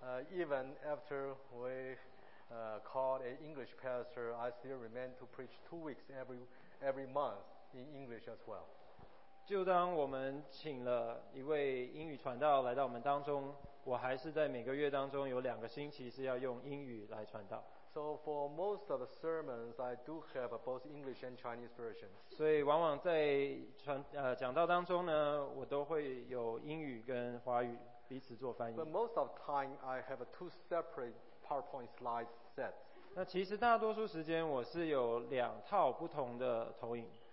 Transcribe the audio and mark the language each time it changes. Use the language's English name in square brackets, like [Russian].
[English] Even after we called an English pastor, I still remain to preach 2 weeks every month in English as well. [Chinese] 就当我们请了一位英语传道来到我们当中，我还是在每个月当中有2个星期是要用英语来传道。 [English] So for most of the sermons, I do have both English and Chinese versions. [Chinese] 所以往往在讲道当中呢，我都会有英语跟华语彼此做翻译。 [English] But most of the time, I have two separate PowerPoint slide sets. [Chinese] 那其实大多数时间我是有两套不同的投影。